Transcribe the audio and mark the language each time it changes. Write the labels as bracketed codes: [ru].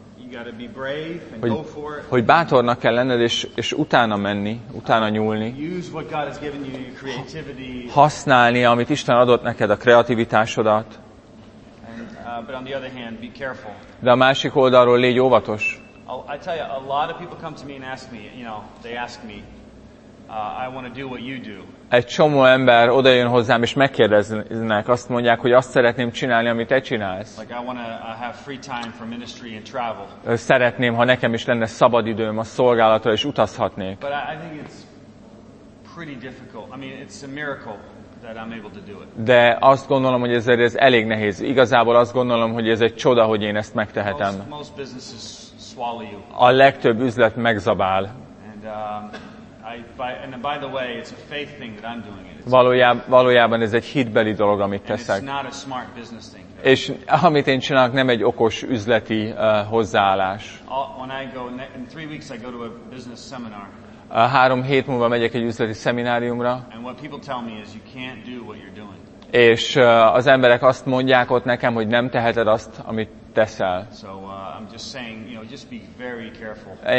[en] You gotta be brave and go for it. [hu] Hogy bátornak kell lenned, és utána menni, utána nyúlni. [en] Use what God has given you, your creativity. [hu] Használni, amit Isten adott neked, a kreativitásodat. [en] But on the other hand, be careful. [hu] De a másik oldalról légy óvatos. [en] I tell you, a lot of people come to me and ask me, you know, they ask me, I want to do what you do. [hu] Egy csomó ember odajön hozzám és megkérdeznek, azt mondják, hogy azt szeretném csinálni, amit te csinálsz. [en] Like I want to have free time for ministry and travel. [hu] Szeretném, ha nekem is lenne szabad időm a szolgálatra és utazhatnék. [en] But I think it's pretty difficult. I mean, it's a miracle that I'm able to do it. [hu] De azt gondolom, hogy ez elég nehéz. Igazából azt gondolom, hogy ez egy csoda, hogy én ezt megtehetem. [en] Most businesses swallow you. [hu] A legtöbb üzlet megzabál. [en] And by the way, it's a faith thing that I'm doing it. [hu] Valójában ez egy hitbeli dolog, amit teszek. [en] It's not a smart business thing. [hu] És amit én csinálok, nem egy okos üzleti hozzáállás. [en] In 3 weeks I go to a business seminar. [hu] 3 hét múlva megyek egy üzleti szemináriumra. [en] And what people tell me is you can't do what you're doing. [hu] És az emberek azt mondják ott nekem, hogy nem teheted azt, amit teszel. [en] So I'm just saying, you know, just be very careful.